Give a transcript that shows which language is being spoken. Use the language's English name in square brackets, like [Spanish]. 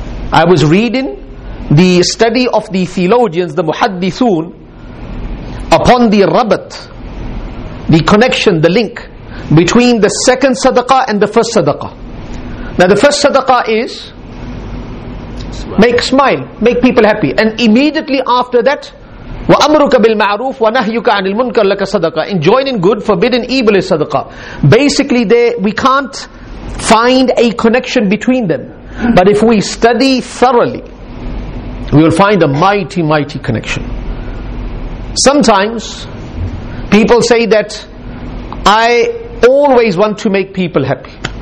[English] I was reading the study of the theologians, the muhaddithun, upon the rabat, the connection, the link between the second sadaqah and the first sadaqah. Now the first sadaqah is make smile, make people happy. And immediately after that, [Arabic] وَأَمْرُكَ بِالْمَعْرُوفِ وَنَهْيُكَ عَنِ الْمُنْكَرِ لَكَ صَدَقَةٌ. [English] Enjoining good, forbidding evil is sadaqah. Basically, we can't find a connection between them. But if we study thoroughly, we will find a mighty, mighty connection. Sometimes, people say that, I always want to make people happy.